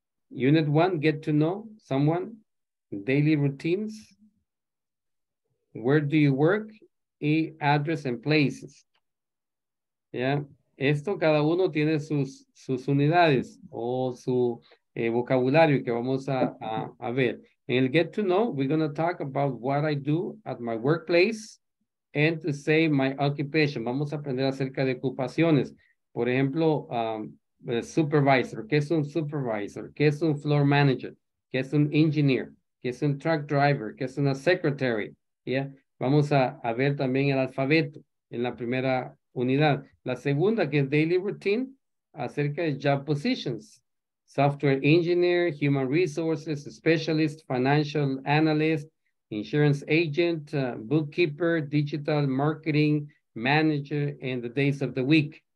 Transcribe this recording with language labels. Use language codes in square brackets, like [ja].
[en] Unit 1, Get to Know Someone. Daily Routines, Where Do You Work, y Address and Places. ¿Ya? [es] Esto cada uno tiene sus unidades o su vocabulario que vamos a ver. [en] En el Get to Know, we're going to talk about what I do at my workplace and to say my occupation. [es] Vamos a aprender acerca de ocupaciones. Por ejemplo, supervisor. ¿Qué es un supervisor? ¿Qué es un floor manager? ¿Qué es un engineer? Que es un truck driver, que es una secretary, ¿ya? vamos a ver también el alfabeto en la primera unidad. La segunda, que es Daily Routine, acerca de Job Positions. [en] Software Engineer, Human Resources, Specialist, Financial Analyst, Insurance Agent, Bookkeeper, Digital Marketing, Manager, and the Days of the Week.